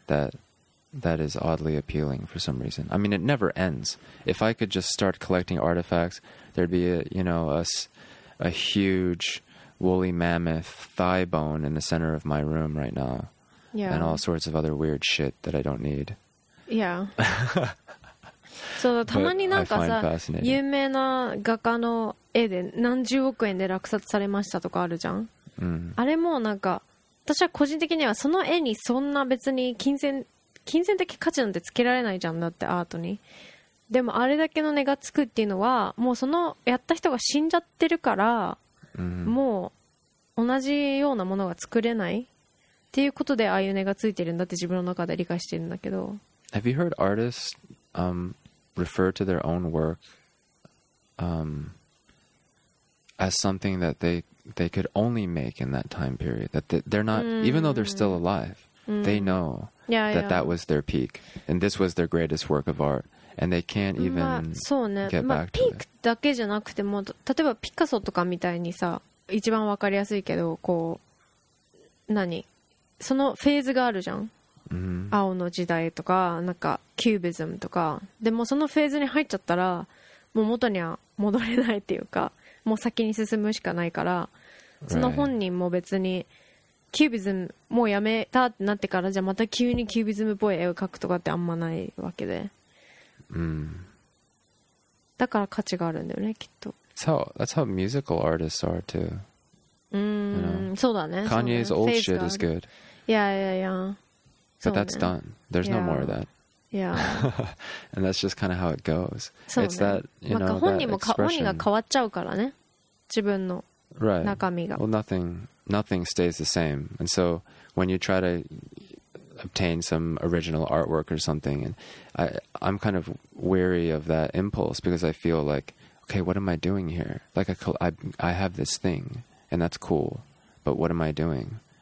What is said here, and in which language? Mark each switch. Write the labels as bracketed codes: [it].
[en] That is oddly appealing for some reason. I mean, it never ends. If I could just start collecting artifacts, there'd be a huge woolly mammoth thigh bone in the center of my room right now. Yeah. And all sorts of other weird shit that I don't need. Yeah. [ja] So, たまになんかさ、有名な画家の絵で何十億円で落札されましたとかあるじゃん。 Mm-hmm. あれもなんか、私は個人的にはその絵にそんな別に金銭的価値なんてつけられないじゃんだってアートにでもあれだけの値がつくっていうのはもうそのやった人が死んじゃってるから、 mm-hmm. もう同じようなものが作れないっていうことでああいう値がついてるんだって自分の中で理解してるんだけど [en] Have you heard artists refer to their own work as something that they could only make in that time period that they're not、mm-hmm. even though they're still alive、mm-hmm. they know Yeah, that that was their peak and this was their greatest work of art and they can't even、 [ja] まあそうね、 [en] get back、 [ja] まあ、ピークだけじゃなくても例えばピカソとかみたいにさ一番わかりやすいけどこう何そのフェーズがあるじゃん、 mm-hmm. 青の時代とかなんかキュービズムとかでもそのフェーズに入っちゃったらもう元には戻れないっていうかもう先に進むしかないからその本人も別に、 [en] right. [ja] キュービズムもうやめたってなってからじゃあまた急にキュービズムっぽい絵を描くとかってあんまないわけで、 mm. だから価値があるんだよねきっと [en] So that's how musical artists are too、 [ja] うん、そうだね [en] Kanye's old shit is good Yeah, yeah, yeah But that's done There's no more of that Yeah And that's just kind of how it goes [ja] そう、ね、 [en] It's that, you know, that expression [ja] 本人が変わっちゃうからね自分の中身が、 [en] right. Well, nothing stays the same. And so when you try to obtain some original artwork or something. And I'm kind of weary of that impulse because I feel like, okay, what am I doing here? Like I have this thing and that's cool, but what am I doing?